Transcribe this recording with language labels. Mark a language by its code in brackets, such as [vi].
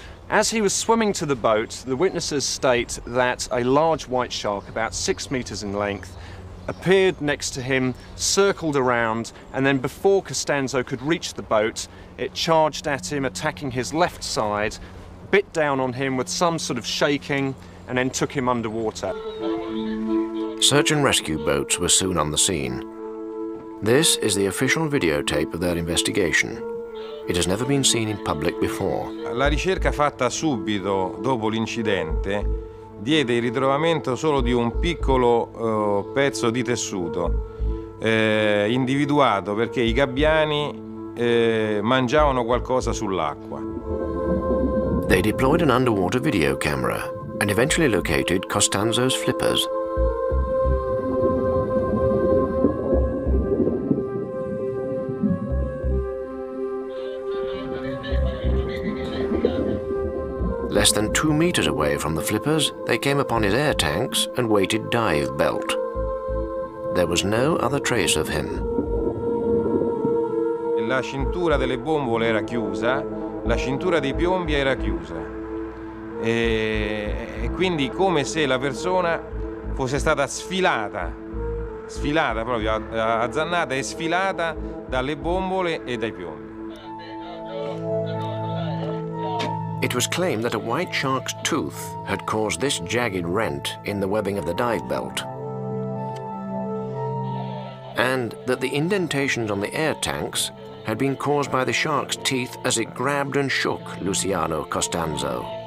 [en] As he was swimming to the boat, the witnesses state that a large white shark, about 6 meters in length, appeared next to him, circled around, and then before Costanzo could reach the boat, it charged at him, attacking his left side, bit down on him with some sort of shaking, and then took him underwater. Search and rescue boats were soon on the scene. This is the official videotape of their investigation. It has never been seen in public before. [it] La ricerca fatta subito dopo l'incidente diede il ritrovamento solo di un piccolo pezzo di tessuto individuato perché I gabbiani mangiavano qualcosa sull'acqua. [en] They deployed an underwater video camera and eventually located Costanzo's flippers. Less than 2 meters away from the flippers, they came upon his air tanks and weighted dive belt. There was no other trace of him. [it] La cintura delle bombole era chiusa, la cintura dei piombi era chiusa. E quindi come se la persona fosse stata sfilata proprio, azzannata e sfilata dalle bombole e dai piombi. [en] It was claimed that a white shark's tooth had caused this jagged rent in the webbing of the dive belt, and that the indentations on the air tanks had been caused by the shark's teeth as it grabbed and shook Luciano Costanzo.